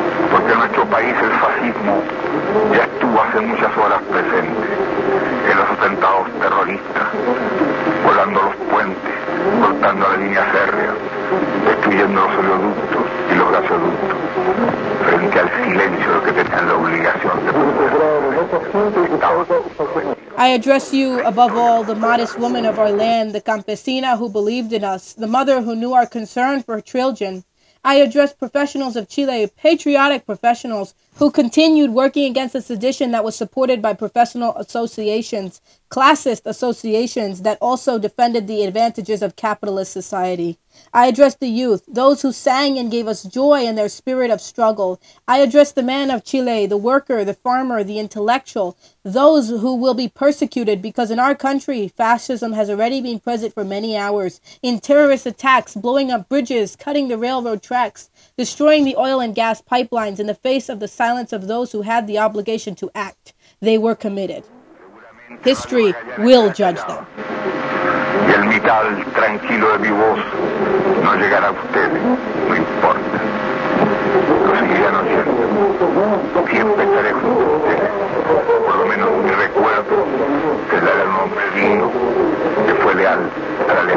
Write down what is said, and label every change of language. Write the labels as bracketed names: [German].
[Spanish] porque en nuestro país el fascismo ya estuvo hace muchas horas presente en los atentados terroristas, volando los puentes, cortando la línea férrea, destruyendo los oleoductos y los gasoductos, frente al silencio que tenían la obligación de proteger. [English] I address you, above all, the modest woman of our land, the campesina who believed in us, the mother who knew our concern for her children. I address professionals of Chile, patriotic professionals who continued working against a sedition that was supported by professional associations, classist associations that also defended the advantages of capitalist society. I addressed the youth, those who sang and gave us joy in their spirit of struggle. I addressed the man of Chile, the worker, the farmer, the intellectual, those who will be persecuted because in our country, fascism has already been present for many hours. In terrorist attacks, blowing up bridges, cutting the railroad tracks, destroying the oil and gas pipelines in the face of the silence of those who had the obligation to act. They were committed. History will judge them. [Spanish] Y el vital tranquilo de mi voz no llegará a ustedes, no importa. Lo seguiré anunciando. Siempre estaré junto a ustedes. Por lo menos mi recuerdo será el nombre digno que fue leal a la ley.